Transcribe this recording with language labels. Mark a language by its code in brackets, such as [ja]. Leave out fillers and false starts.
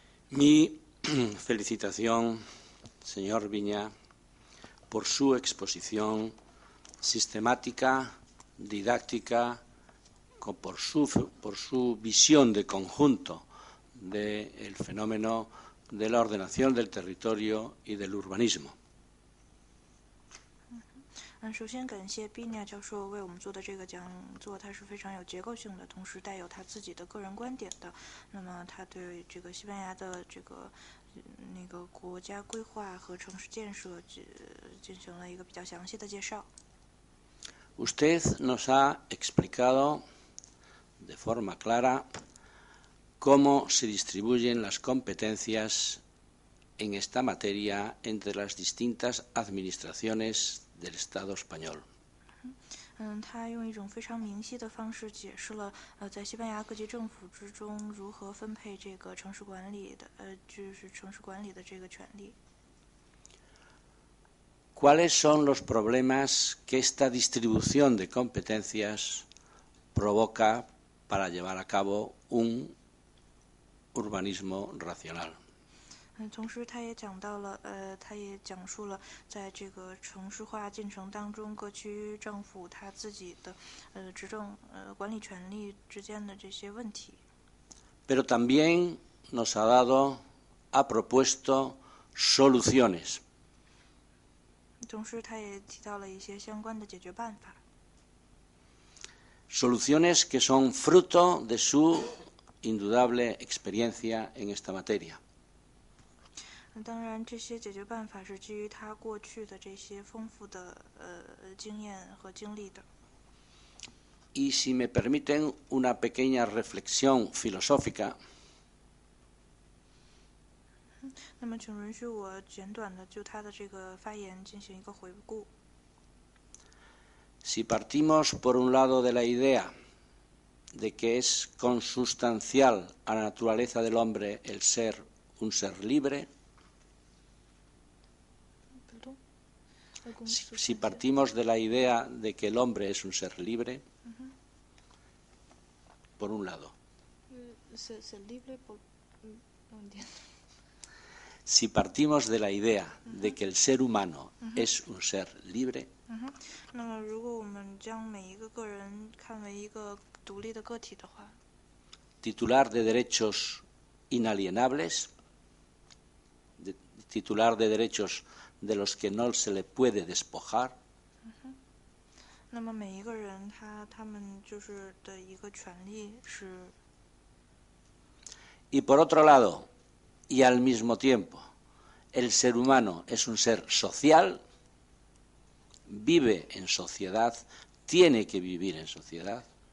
[es] Mi felicitación, señor Viña, por su exposición sistemática, didáctica, por su visión de conjunto del fenómeno de la ordenación del territorio y del urbanismo. [zh] 首先感谢比尼亚教授为我们做的这个讲座，它是非常有结构性的，同时带有他自己的个人观点的。那么他对这个西班牙的这个那个国家规划和城市建设进行了一个比较详细的介绍。 [es] Usted nos ha explicado de forma clara cómo se distribuyen las competenciasen esta materia entre las distintas administraciones del Estado español. [zh] 他用一种非常明晰的方式解释了在西班牙各级政府之中如何分配这个城市管理的就是城市管理的这个权利。 [es] ¿Cuáles son los problemas que esta distribución de competencias provoca para llevar a cabo un urbanismo racional? [zh] 同时他也讲到了他也讲述了在这个城市化进程当中各区政府他自己的执政管理权力之间的这些问题。 [es] Pero también nos ha propuesto soluciones. [zh] 同时他也提到了一些相关的解决办法。 [es] Soluciones que son fruto de su indudable experiencia en esta materia. [zh] 当然这些解决办法是基于他过去的这些丰富的经验和经历的。 [es] Y si me permiten una pequeña reflexión filosófica, [zh] 那么请允许我简短的就他的这个发言进行一个回顾。 [es] Si partimos por un lado de la idea de que es consustancial a la naturaleza del hombre el ser un ser libre,Si partimos de la idea de que el hombre es un ser libre, por un lado. ¿Ser libre? No entiendo. Si partimos de la idea de que el ser humano es un ser libre, [zh] 那么如果我们将每一个个人看为一个独立的个体的话, [es] titular de derechos inalienables, titular de derechos... de los que no se le puede despojar. [zh] 那么每一个人他们就是的一个权利是 [es] Y por otro lado, y al mismo tiempo, el ser humano es un ser social, vive en sociedad, tiene que vivir en sociedad.